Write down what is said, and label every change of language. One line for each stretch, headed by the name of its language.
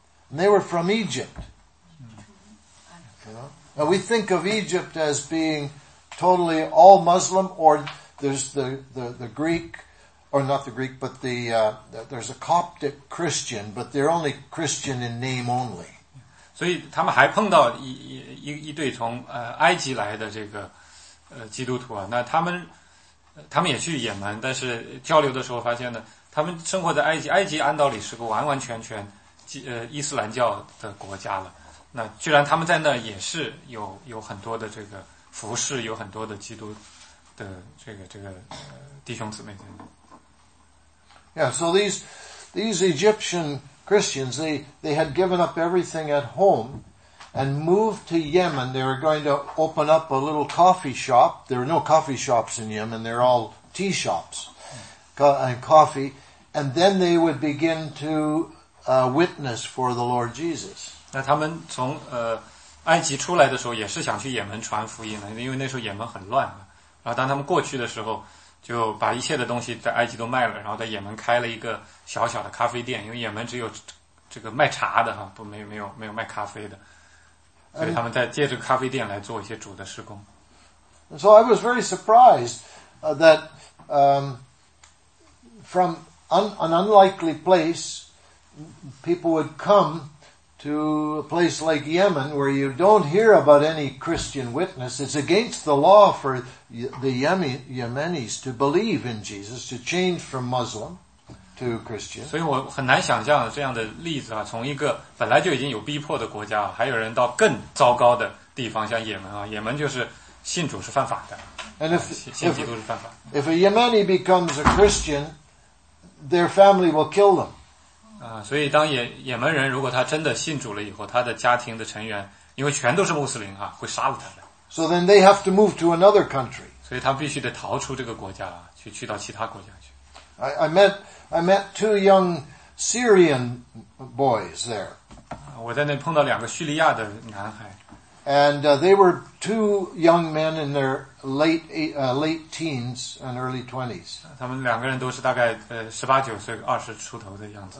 English: And they were from Egypt. You know? Now we think of Egypt as being totally all Muslim, or there's the Greek, or not the Greek, but there's a Coptic Christian, but they're only Christian in name only.
Chinese: 所以他们还碰到一对从埃及来的这个基督徒啊，那他们也去也门，但是交流的时候发现呢，他们生活在埃及按道理是个完完全全伊斯兰教的国家了，那居然他们在那也是有很多的这个服侍，有很多的基督的这个弟兄姊妹在那。
English: Yeah, so these Egyptian Christians, they had given up everything at home and moved to Yemen. They were going to open up a little coffee shop. There are no coffee shops in Yemen. They're all tea shops and coffee. And then they would begin to witness for the Lord Jesus.
Chinese: 那他们从埃及出来的时候也是想去也门传福音的，因为那时候也门很乱。然后当他们过去的时候就把一切的东西在埃及都卖了，然后在也门开了一个小小的咖啡店，因为也门只有这个卖茶的，不没有卖咖啡的。所以他们在借着咖啡店来做一些主的事工。
English: And so I was very surprised that from an unlikely place, people would come to a place like Yemen where you don't hear about any Christian witness. It's against the law for the Yemenis to believe in Jesus, to change from Muslim to Christian.
Chinese: 所以我很难想象这样的例子啊，从一个本来就已经有逼迫的国家，还有人到更糟糕的地方，像也门啊，也门就是信主是犯法的。
English: And if a Yemeni becomes a Christian, their family will kill them.
Chinese: 所以当也门人如果他真的信主了以后，他的家庭的成员因为全都是穆斯林啊，会杀了他的。
English: So then they have to move to another country.
Chinese: 所以他必须得逃出这个国家，去到其他国家去。
English: I met two young Syrian boys there.
Chinese: 我在那碰到两个叙利亚的男孩。
English: And they were two young men in their late teens and early 20s.
Chinese: 他们两个人都是大概18、9岁、20出头的样子。